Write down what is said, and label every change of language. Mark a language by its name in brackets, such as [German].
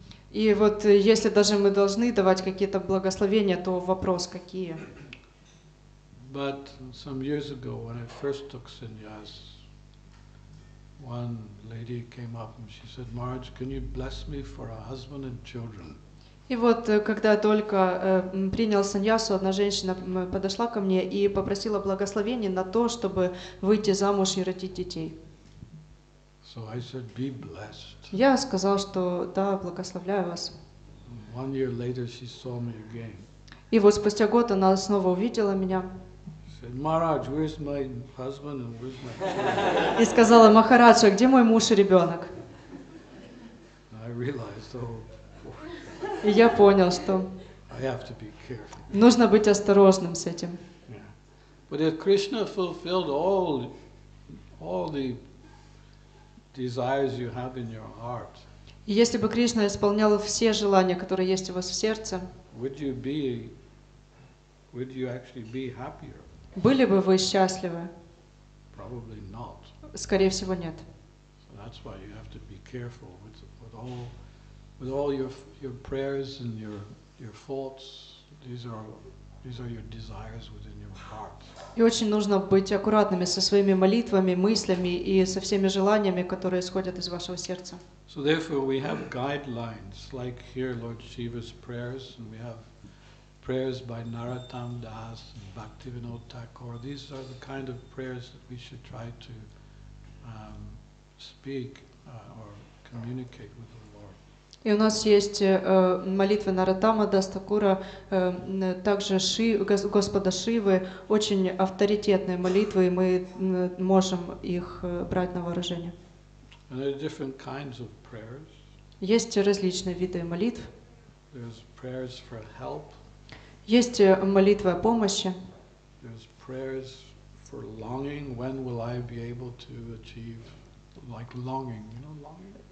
[Russian] И вот если даже мы должны давать какие-то благословения, то вопрос, какие? [English] But some years ago, when I first took sannyas, one lady came up and she said, Marge, can you bless me for a husband and children? [Russian] И вот когда я только принял саньясу, одна женщина подошла ко мне и попросила благословения на то, чтобы выйти замуж и родить детей. [English] So I said, be blessed. [Russian] Я сказал, что да, благословляю вас. [English] One year later she saw me again. [Russian] И вот спустя год она снова увидела меня. [English] She said, Maharaj, where's my husband and where's my children? [Russian] И сказала, Махарадж, а где мой муж и ребенок? [English] I realized, oh, [Russian] и я понял, что [English] I have to be careful. [Russian] Нужно быть осторожным с этим. [English] Yeah. But if Krishna fulfilled all the desires you have in your heart. [Russian] Если бы Кришна исполнял все желания, которые есть у вас в сердце, [English] would you actually be happier? [Russian] Были бы вы счастливы? [English] Probably not. [Russian] Скорее всего, нет. [English] So that's why you have to be careful with all your prayers and your thoughts. These are your desires within your heart. [Russian] И очень нужно быть аккуратными со своими молитвами, мыслями и со всеми желаниями, которые исходят из вашего сердца. [English] So therefore we have guidelines, like here Lord Shiva's prayers, and we have prayers by Narottam Das and Bhaktivinoda Thakur. These are the kind of prayers that we should try to speak or communicate with. [Russian] И у нас есть молитвы Нарадама Дас Такура, также Господа Шивы, очень авторитетные молитвы, и мы можем их брать на вооружение. [English] And there are different kinds of prayers. [Russian] Есть различные виды молитв. [English] There's prayers for help. [Russian] Есть молитвы о помощи. [English] There's prayers for longing, when will I be able to achieve, like longing, you know, longing?